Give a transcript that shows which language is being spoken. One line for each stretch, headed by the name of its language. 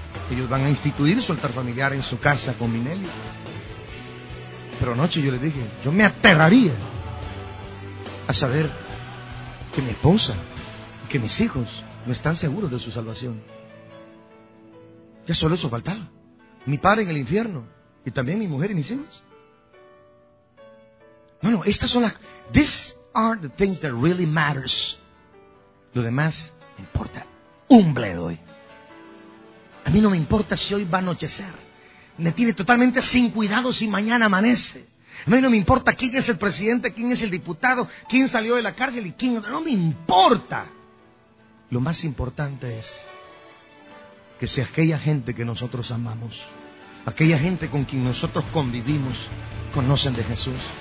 Spanish: Ellos van a instituir su altar familiar en su casa con Minelli. Pero anoche yo les dije, yo me aterraría a saber que mi esposa y que mis hijos no están seguros de su salvación. Ya solo eso faltaba. Mi padre en el infierno y también mi mujer y mis hijos. Bueno, estas son las...
English: These are the things that really matters.
Spanish: Lo demás me importa un bledo. A mí no me importa si hoy va a anochecer. Me tiene totalmente sin cuidado si mañana amanece. A mí no me importa quién es el presidente, quién es el diputado, quién salió de la cárcel y quién... No me importa. Lo más importante es que si aquella gente que nosotros amamos, aquella gente con quien nosotros convivimos, conocen de Jesús...